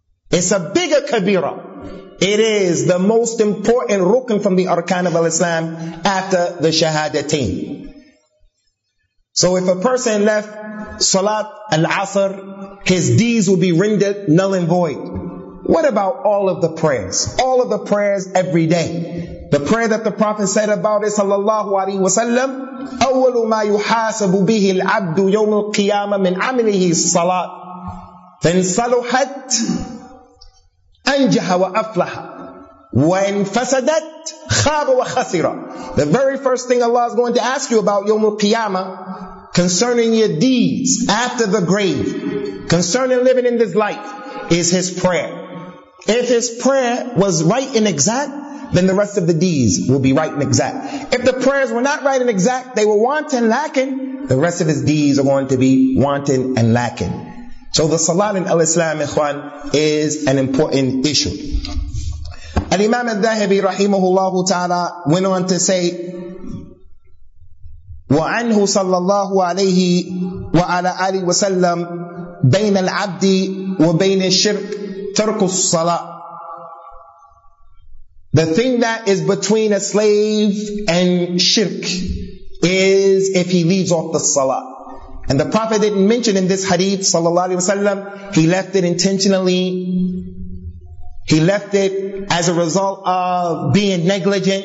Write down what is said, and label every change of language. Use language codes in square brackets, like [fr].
[en] It's a bigger kabira. It is the most important rukn from the arkan of al-Islam after the shahadatain. So if a person left Salat al-Asr, his deeds will be rendered null and void. What about all of the prayers? All of the prayers every day. The prayer that the Prophet said about it, sallallahu alayhi wa sallam, [ar] أَوَّلُ مَا يُحَاسَبُ بِهِ الْعَبْدُ يَوْمُ الْقِيَامَةِ مِنْ عَمِلِهِ الصَّلَاةِ فَإِنْ صَلُحَتْ أَنْجَحَ وَأَفْلَحَ وَإِنْ فَسَدَتْ خَابَ وَخَسِرَ. [en] The very first thing Allah is going to ask you about [ar] يَوْمُ الْقِيَامَةِ, [en] concerning your deeds after the grave, concerning living in this life, is his prayer. If his prayer was right and exact, then the rest of the deeds will be right and exact. If the prayers were not right and exact, they were wanting, lacking, the rest of his deeds are going to be wanting and lacking. So the salat in al-Islam, ikhwan, is an important issue. Al-Imam al-Dhahibi, rahimahullahu ta'ala, went on to say, [ar] وعنه صلى الله عليه وعلى آله وسلم بين العبد وبين الشرك ترك الصلاة. [en] The thing that is between a slave and shirk is if he leaves off the salah. And the Prophet didn't mention in this hadith, [ar] صلى الله عليه وسلم, [en] he left it intentionally. He left it as a result of being negligent.